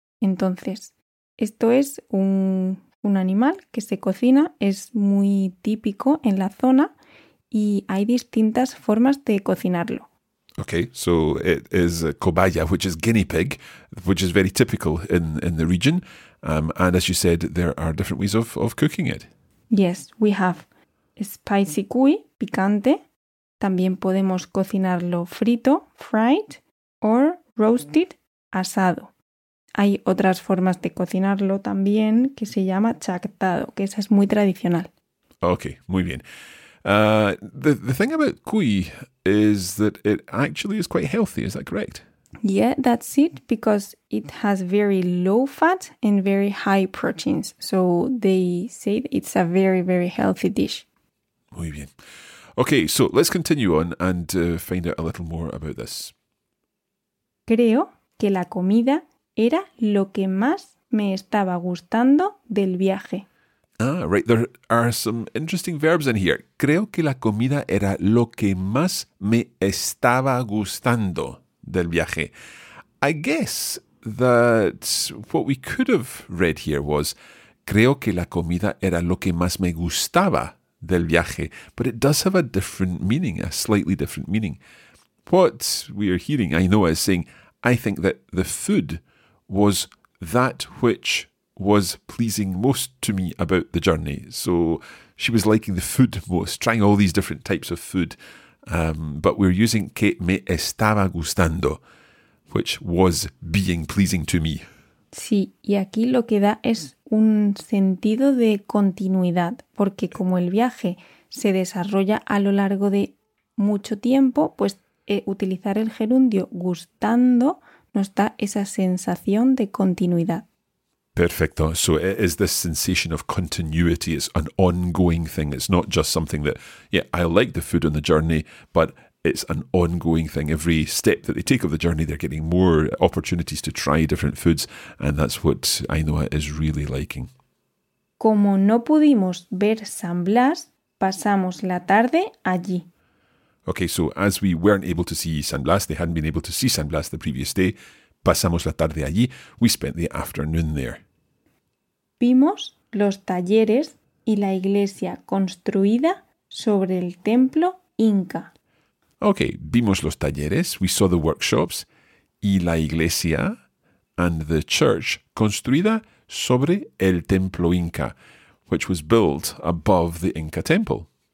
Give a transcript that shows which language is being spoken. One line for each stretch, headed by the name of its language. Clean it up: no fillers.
Spanish: Entonces, esto es un animal que se cocina, es muy típico en la zona, y hay distintas formas de cocinarlo.
English: Okay, so it is a cobaya, which is guinea pig, which is very typical in the region. And as you said, there are different ways of cooking it. Yes, we have spicy cuy, picante.
Spanish: También podemos cocinarlo frito,
English: fried, or roasted,
Spanish: asado. Hay otras formas de cocinarlo también, que se llama chactado, que esa es muy tradicional. Okay, muy bien.
English: The thing about kui is that it actually is quite healthy. Is that correct? Yeah, that's it, because it has very low fat and very high proteins. So they say it's a very, very healthy dish.
Spanish: Muy bien.
English: Okay, so let's continue on and find out a little more about this.
Spanish: Creo que la comida era lo que más me estaba gustando del viaje.
English: Ah, right. There are some interesting verbs in here.
Spanish: Creo que la comida era lo que más me estaba gustando del viaje.
English: I guess that what we could have read here was
Spanish: creo que la comida era lo que más me gustaba del viaje.
English: But it does have a different meaning, a slightly different meaning. What we are hearing, I know, is saying I think that the food was that which was pleasing most to me about the journey. So she was liking the food most, trying all these different types of food. But we're using
Spanish: que me estaba gustando,
English: which was being pleasing to me.
Spanish: Sí, y aquí lo que da es un sentido de continuidad, porque como el viaje se desarrolla a lo largo de mucho tiempo, pues utilizar el gerundio gustando nos da esa sensación de continuidad.
English: Perfecto. So it is this sensation of continuity. It's an ongoing thing. It's not just something that, yeah, I like the food on the journey, but it's an ongoing thing. Every step that they take of the journey, they're getting more opportunities to try different foods. And that's what Ainhoa is really liking.
Spanish: Como no pudimos ver San Blas, pasamos la tarde allí.
English: Okay, so as we weren't able to see San Blas, they hadn't been able to see San Blas the previous day,
Spanish: pasamos la tarde allí.
English: We spent the afternoon there.
Spanish: Vimos los talleres y la iglesia construida sobre el templo Inca. Okay, vimos los talleres.
English: We saw the workshops
Spanish: y la iglesia
English: and the church
Spanish: construida sobre el templo Inca,
English: which was built above the Inca temple.